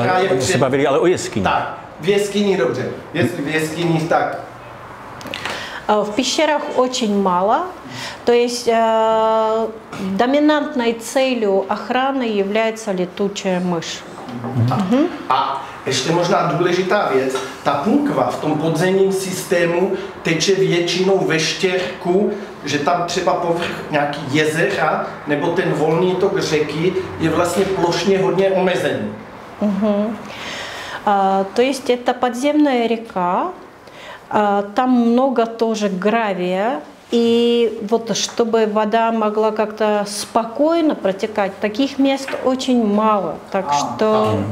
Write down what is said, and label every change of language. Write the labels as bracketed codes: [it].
[cs] Oni se bavili ale o jeskyni. Tak, v jeskyni, dobře. Jestli v jeskyni, tak. [ru] V pešerách очень мало. То есть доминантной целью охраны является летучая мышь. [cs] А ještě možná důležitá věc. Ta punkva v tom podzemním systému teče většinou ve štěrku, že tam třeba povrch nějaký jezera nebo ten volný tok řeky je vlastně plošně hodně omezený. Угу. [ru] То есть это подземная река, там много тоже гравия, и вот чтобы вода могла как-то спокойно протекать, таких мест очень мало, так что...